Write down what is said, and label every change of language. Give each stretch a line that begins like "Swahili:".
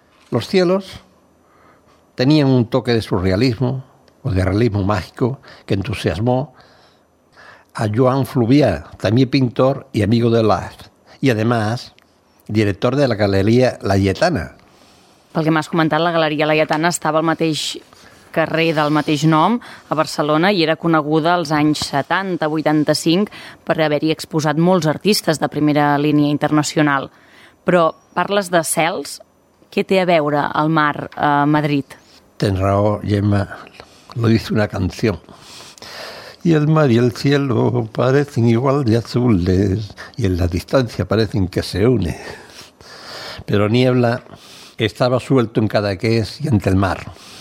Spanish: Los cielos tenían un toque de surrealismo o de realismo mágico que entusiasmó a Joan Fluvià, también pintor y amigo de Olaf, y además director de la Galería Laietana.
Catalan: Pel que m'has comentat, la Galeria Laietana estava al mateix carrer del mateix nom, a Barcelona, i era coneguda als anys 70-85 per haver-hi exposat molts artistes de primera línia internacional. Però parles de cels, què té a veure el mar a Madrid? Tens raó,
Spanish: Gemma, lo dice una canción. Y el mar y el cielo parecen igual de azules y en la distancia parecen que se une. Pero Niebla estaba suelto en Cadaqués y ante el mar.